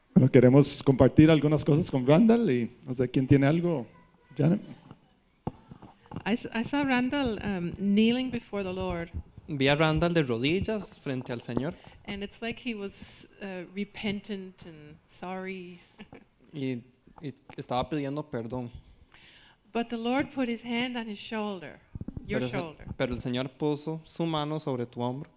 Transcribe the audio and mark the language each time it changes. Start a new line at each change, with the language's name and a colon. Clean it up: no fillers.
Spanish: Queremos compartir algunas cosas con Randall y no sé quién tiene algo. Janet.
English: I saw Randall kneeling before the Lord.
Spanish: Vi a Randall de rodillas frente al Señor.
English: And it's like he was repentant and sorry.
Spanish: Y estaba pidiendo perdón.
English: But the Lord put his hand on his shoulder.
Spanish: Pero el Señor puso su mano sobre tu hombro.